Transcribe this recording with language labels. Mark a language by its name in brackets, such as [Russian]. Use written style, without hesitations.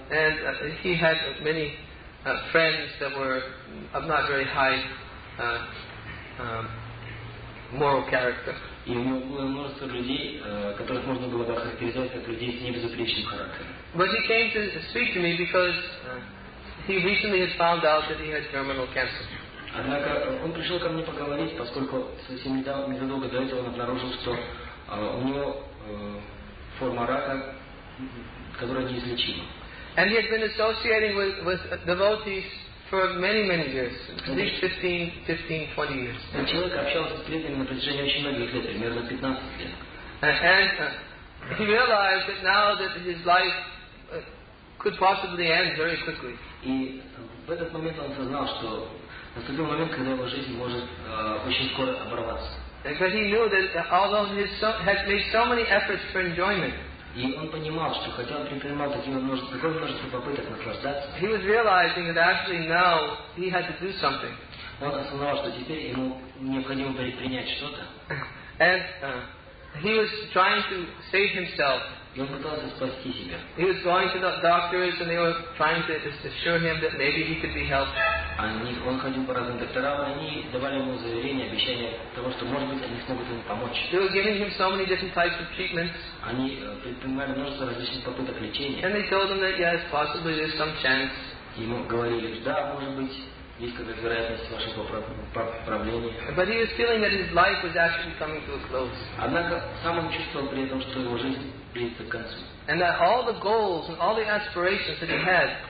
[English] And he had many friends that were of not very high moral character. [Russian] И у него было множество людей, которых можно было бы охарактеризовать как людей с небезупречным характером. [English] But he came to speak to me because he recently had found out that he had terminal cancer. [Russian] Однако он пришел ко мне поговорить, поскольку совсем незадолго до этого он обнаружил, что у него форма рака, которая неизлечима. [English] And he had been associating with devotees for many, many years, at least 15, 20 years. [Russian] Этот человек общался с преданными на протяжении очень многих лет, примерно 15 лет. [English] And he realized that now that his life could possibly end very quickly. [Russian] И в этот момент он осознал, что наступил момент, когда его жизнь может очень скоро оборваться. [English] But he knew that although he had made so many efforts for enjoyment, [Russian] и он понимал, что хотя он предпринимал такое множество попыток наслаждаться, [English] he was realizing that actually now he had to do something. [Russian] Он осознал, что теперь ему необходимо предпринять что-то. [English] And he was trying to save himself. [Russian] И он пытался спасти себя. [English] He was going to the doctors and they were trying to just assure him that maybe he could be helped. [Russian] Он ходил по разным докторам, они давали ему заверения, обещания того, что может быть они смогут ему помочь. [English] They were giving him so many different types of treatments. [Russian] Они предпринимали множество различных попыток лечения. [English] And they told him that yes, possibly there's some chance. [Russian] Ему говорили, да, может быть, есть какая-то вероятность вашего поправления. [English] But he was feeling that his life was actually coming to a close. [Russian] Однако сам он чувствовал при этом, что его жизнь. [English] And that all the goals and all the aspirations that he had,